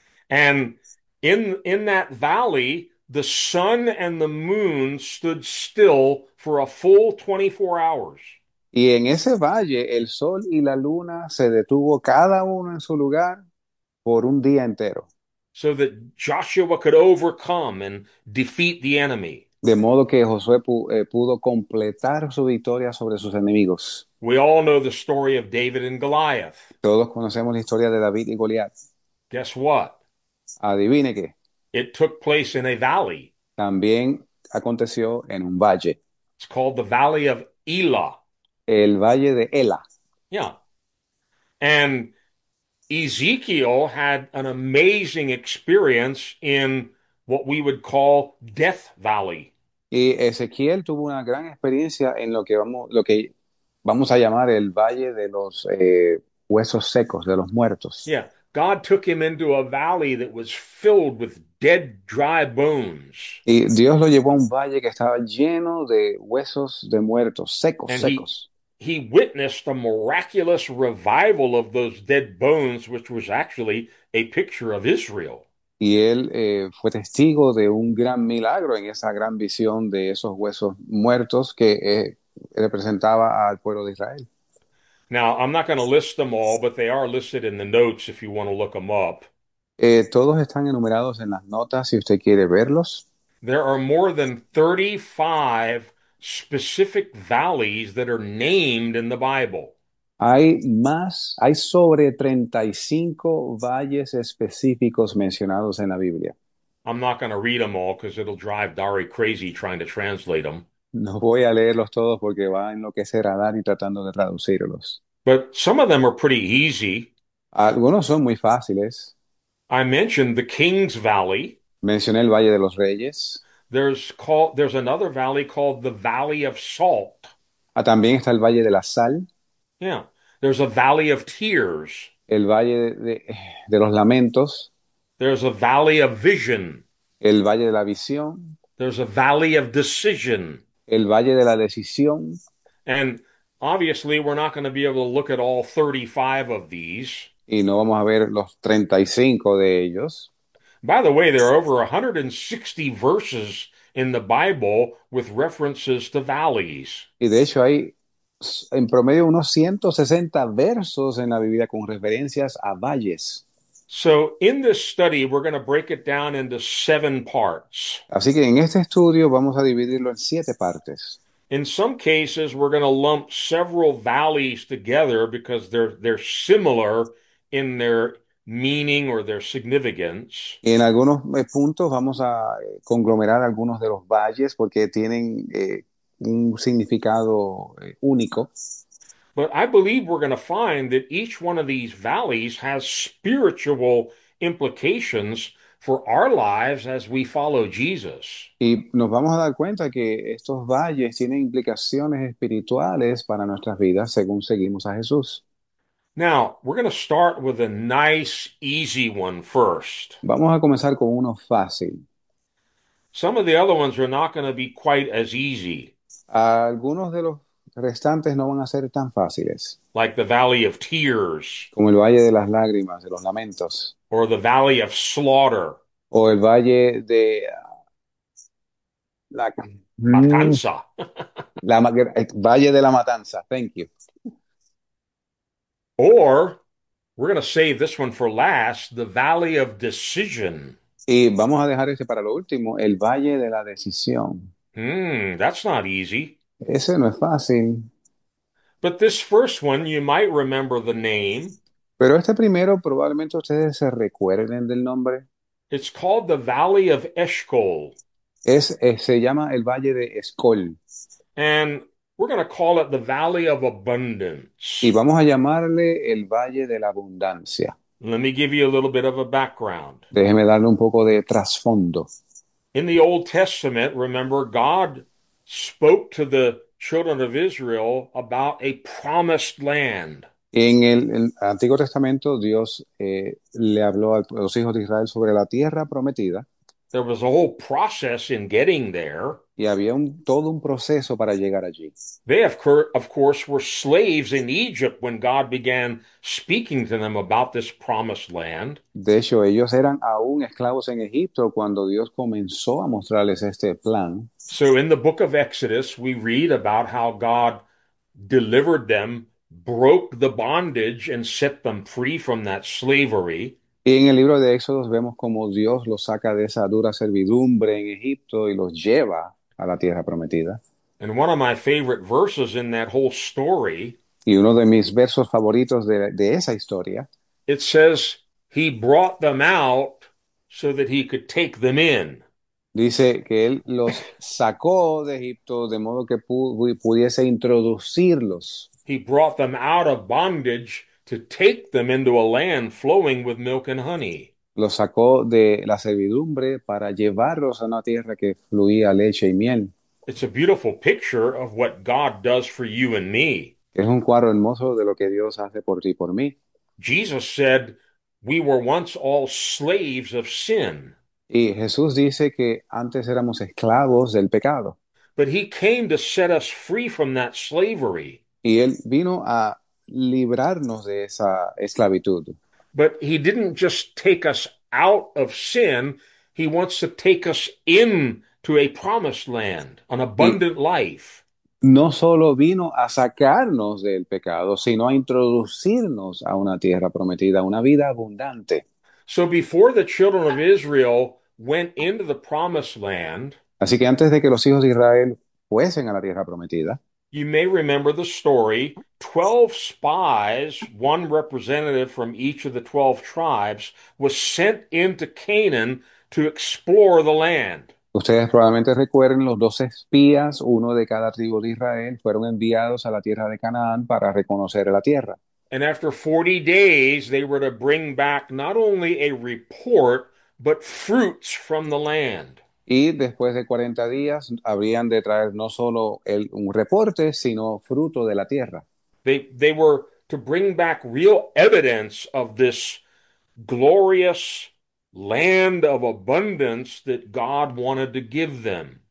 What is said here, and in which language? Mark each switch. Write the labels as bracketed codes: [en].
[en] And in that valley, the sun and the moon stood still for a full 24 hours. [es] Y en ese valle, el sol y la luna se detuvo cada uno en su lugar por un día entero. [en] So that Joshua could overcome and defeat the enemy. [es] De modo que Josué pudo completar su victoria sobre sus enemigos. [en] We all know the story of David and Goliath. [es] Todos conocemos la historia de David y Goliat. [en] Guess what? [es] Adivine qué. [en] It took place in a valley. [es] También aconteció en un valle. [en] It's called the Valley of Elah. [es] El Valle de Ela. [en] Yeah. And Ezekiel had an amazing experience in what we would call Death Valley. [es] Y Ezequiel tuvo una gran experiencia en lo que vamos a llamar el Valle de los Huesos Secos, de los Muertos. [en] Yeah. God took him into a valley that was filled with dead, dry bones. [es] Y Dios lo llevó a un valle que estaba lleno de huesos de muertos, secos, [en] And [es] secos. [en] he witnessed a miraculous revival of those dead bones, which was actually a picture of Israel. [es] Y él fue testigo de un gran milagro en esa gran visión de esos huesos muertos que representaba al pueblo de Israel. [en] Now, I'm not going to list them all, but they are listed in the notes if you want to look them up. [es] Todos están enumerados en las notas si usted quiere verlos. [en] There are more than 35 specific valleys that are named in the Bible. [es] Hay sobre 35 valles específicos mencionados en la Biblia. [en] I'm not going to read them all because it'll drive Dari crazy trying to translate them. [es] No voy a leerlos todos porque va a enloquecer a Dani tratando de traducirlos. [en] But some of them are pretty easy. [es] Algunos son muy fáciles. [en] I mentioned the King's Valley. [es] Mencioné el Valle de los Reyes. [en] There's another valley called the Valley of Salt. [es] Ah, también está el Valle de la Sal. [en] Yeah, there's a Valley of Tears. [es] El Valle de los Lamentos. [en] There's a Valley of Vision. [es] El Valle de la Visión. [en] There's a Valley of Decision. [es] El Valle de la Decisión. [en] And obviously, we're not going to be able to look at all 35 of these. [es] Y no vamos a ver los 35 de ellos. [en] By the way, there are over 160 verses in the Bible with references to valleys. [es] Y de hecho hay en promedio unos 160 versos en la Biblia con referencias a valles. [en] So, in this study, we're going to break it down into seven parts. [es] Así que en este estudio vamos a dividirlo en siete partes. [en] In some cases, we're going to lump several valleys together because they're similar in their meaning or their significance. [es] Y en algunos puntos vamos a conglomerar algunos de los valles porque tienen un significado único. [en] But I believe we're going to find that each one of these valleys has spiritual implications for our lives as we follow Jesus. [es] Y nos vamos a dar cuenta que estos valles tienen implicaciones espirituales para nuestras vidas según seguimos a Jesús. [en] Now, we're going to start with a nice, easy one first. [es] Vamos a comenzar con uno fácil. [en] Some of the other ones are not going to be quite as easy. [es] Algunos de los restantes no van a ser tan fáciles, [en] Like the Valley of Tears, [es] como el Valle de las Lágrimas, de los Lamentos, [en] or the Valley of Slaughter, [es] o el Valle de Matanza. el Valle de la Matanza. [en] Thank you. Or, we're going to save this one for last, the Valley of Decision. [es] Y vamos a dejar este para lo último, el Valle de la Decisión. [en] That's not easy. [es] Ese no es fácil. [en] But this first one, you might remember the name. [es] Pero este primero probablemente ustedes se recuerden del nombre. [en] It's called the Valley of Eshcol. [es] Se llama el Valle de Escol. [en] And we're going to call it the Valley of Abundance. [es] Y vamos a llamarle el Valle de la Abundancia. [en] Let me give you a little bit of a background. [es] Déjeme darle un poco de trasfondo. [en] In the Old Testament, remember, God spoke to the children of Israel about a promised land. [es] En el Antiguo Testamento, Dios le habló a los hijos de Israel sobre la tierra prometida. [en] There was a whole process in getting there. [es] Y había todo un proceso para llegar allí. [en] They, of course, were slaves in Egypt when God began speaking to them about this promised land. [es] De hecho, ellos eran aún esclavos en Egipto cuando Dios comenzó a mostrarles este plan. [en] So in the book of Exodus, we read about how God delivered them, broke the bondage, and set them free from that slavery. [es] Y en el libro de Éxodos vemos cómo Dios los saca de esa dura servidumbre en Egipto y los lleva a la tierra prometida. [en] And one of my favorite verses in that whole story, [es] Y uno de mis versos favoritos de esa historia [en] it says, he brought them out so that he could take them in. [es] dice que él los sacó de Egipto de modo que pudiese introducirlos. [en] He brought them out of bondage to take them into a land flowing with milk and honey. [es] Los sacó de la servidumbre para llevarlos a una tierra que fluía leche y miel. [en] It's a beautiful picture of what God does for you and me. [es] Es un cuadro hermoso de lo que Dios hace por ti y por mí. [en] Jesus said, we were once all slaves of sin. [es] Y Jesús dice que antes éramos esclavos del pecado. [en] But he came to set us free from that slavery. [es] Y él vino a librarnos de esa esclavitud. [en] But he didn't just take us out of sin, he wants to take us in to a promised land, an [es] Y [en] abundant life. [es] no solo vino a sacarnos del pecado, sino a introducirnos a una tierra prometida, una vida abundante. [en] So before the children of Israel went into the promised land, [es] Así que antes de que los hijos de Israel fuesen a la tierra prometida, [en] you may remember the story, 12 spies, one representative from each of the 12 tribes, was sent into Canaan to explore the land. [es] ustedes probablemente recuerden los 12 espías, uno de cada tribu de Israel, fueron enviados a la tierra de Canaán para reconocer la tierra. [en] And after 40 days, they were to bring back not only a report, but fruits from the land. [es] Y después de 40 días habrían de traer no solo un reporte, sino fruto de la tierra. [en] They were to bring back real evidence of this glorious land of abundance that God wanted to give them.